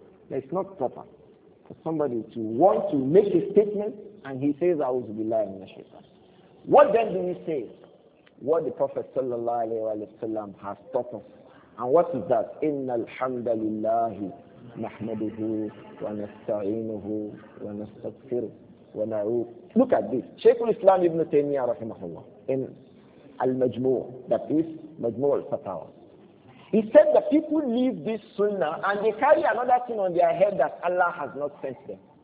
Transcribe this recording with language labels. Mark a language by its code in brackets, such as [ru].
[en] That it's not proper for somebody to want to make a statement and he says, [ar] A'udhu Billahi Minash Shaitan. [en] What then do we say? What the Prophet sallallahu alayhi wa sallam has taught us. And what is that? [ar] Inna alhamdulillahi نحمده ونستعينه ونستغفره ونعوذ. [en] Look at this. Shaykh al-Islam Ibn Taymiyyah رحمه الله in Al-Majmu', that is Majmu' al-Fatawa. He said that people leave this sunnah and they carry another thing on their head that Allah has not sent them.